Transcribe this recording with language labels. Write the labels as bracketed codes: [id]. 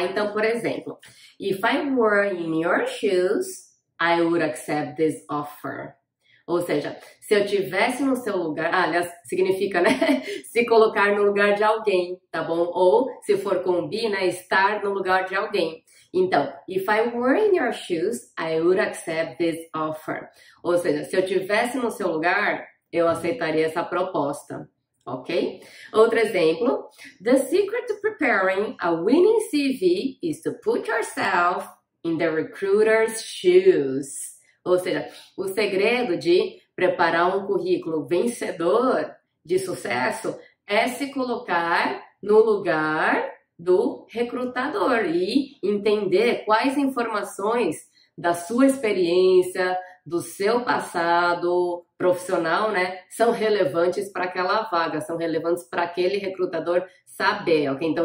[pt] Então, por exemplo, [en] if I were in your shoes, I would accept this offer. [pt] Ou seja, se eu tivesse no seu lugar, aliás, significa, né? Se colocar no lugar de alguém, tá bom? Ou se for combina, estar no lugar de alguém. Então, [en] if I were in your shoes, I would accept this offer. [pt] Ou seja, se eu tivesse no seu lugar, eu aceitaria essa proposta, ok? Outro exemplo: [en] The secret to preparing a winning CV is to put yourself in the recruiter's shoes. [pt] Ou seja, o segredo de preparar um currículo vencedor de sucesso é se colocar no lugar do recrutador e entender quais informações da sua experiência, do seu passado profissional, né, são relevantes para aquela vaga, são relevantes para aquele recrutador saber, ok?